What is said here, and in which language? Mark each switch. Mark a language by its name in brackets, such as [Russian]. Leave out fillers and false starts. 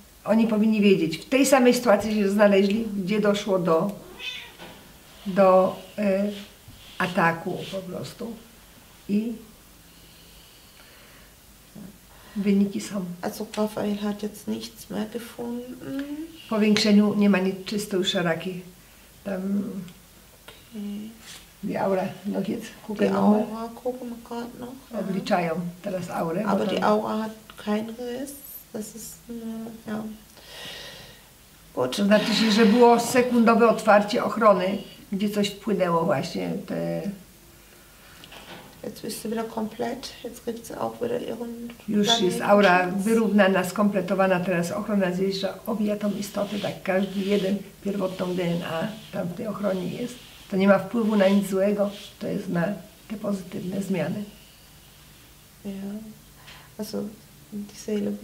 [Polish] Oni powinni wiedzieć, w tej samej sytuacji się znaleźli, gdzie doszło do ataku po prostu. I wyniki są. [German] Also Rafael hat jetzt nichts mehr gefunden. [Polish] Po większeniu nie ma nic czysto już szaraki. Tam. [German] Die Aura, noch jetzt gucken wir mal. Die Aura gucken wir gerade noch. [Polish] Obliczają teraz Aurę. [German] Aber die Aura hat keinen Riss. Das ist ja. Gut. [Polish] To znaczy się, że było sekundowe otwarcie ochrony, gdzie coś wpłynęło właśnie. Te... [German] Jetzt ist sie wieder komplett. Jetzt kriegt sie auch wieder ihren. [Polish] Już jest Aura wyrównana, skompletowana. Teraz ochrona zjeżdża, obija tą istotę. Tak każdy jeden pierwotną DNA tam w tej ochronie jest. To nie ma wpływu na nic złego, to jest na te pozytywne zmiany. [German] Ja, also die Seele